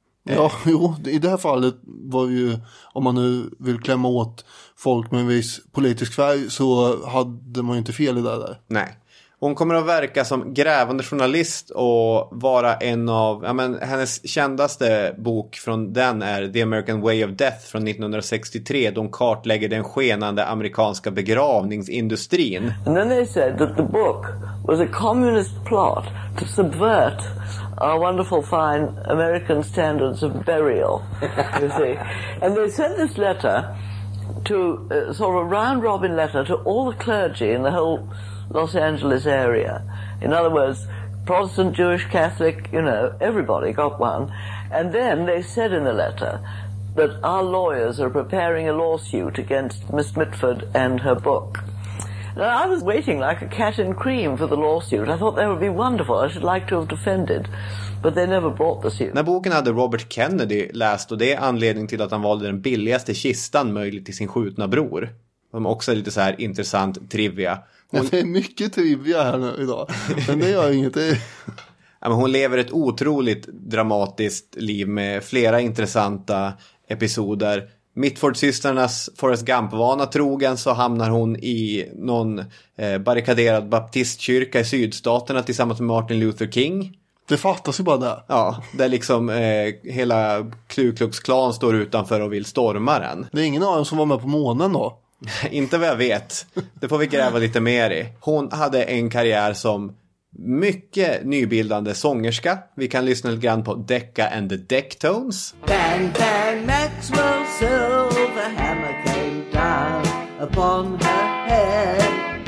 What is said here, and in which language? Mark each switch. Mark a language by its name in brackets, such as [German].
[Swedish] ja, jo, i det här fallet var ju, om man nu vill klämma åt folk med en viss politisk färg, så hade man ju inte fel i det där. Nej. Hon kommer att verka som grävande journalist och vara en av, ja men hennes kändaste bok från den är The American Way of Death från 1963, då hon kartlägger den skenande amerikanska begravningsindustrin. [English] And then they said that the book was a communist plot to subvert our wonderful fine American standards of burial, you see. And they sent this letter to sort of a round robin letter to all the clergy in the whole Los Angeles area. In other words, Protestant, Jewish, Catholic, you know, everybody got one. And then they said in the letter that our lawyers are preparing a lawsuit against Miss Mitford and her book. Now, I was waiting like a cat in cream for the lawsuit. I thought that would be wonderful. I should like to have defended. But they never brought the suit. [Swedish] När boken hade Robert Kennedy läst, och det är anledningen till att han valde den billigaste kistan möjligt till sin skjutna bror. De är också lite så här intressant trivia. Hon, det är mycket trivia här nu idag, men det gör inget. Ja, men hon lever ett otroligt dramatiskt liv med flera intressanta episoder. Mitford-systernas Forrest Gump-vana trogen så hamnar hon i någon barrikaderad baptistkyrka i sydstaterna tillsammans med Martin Luther King. Det fattas ju bara det. Ja, där liksom hela Ku Klux Klan står utanför och vill storma den. Det är ingen av dem som var med på månen då? Inte vad jag vet. Det får vi gräva lite mer i. Hon hade en karriär som mycket nybildande sångerska. Vi kan lyssna lite grann på Decca and the Decktones. [English] Bang, bang, Maxwell's silver hammer came down upon her head.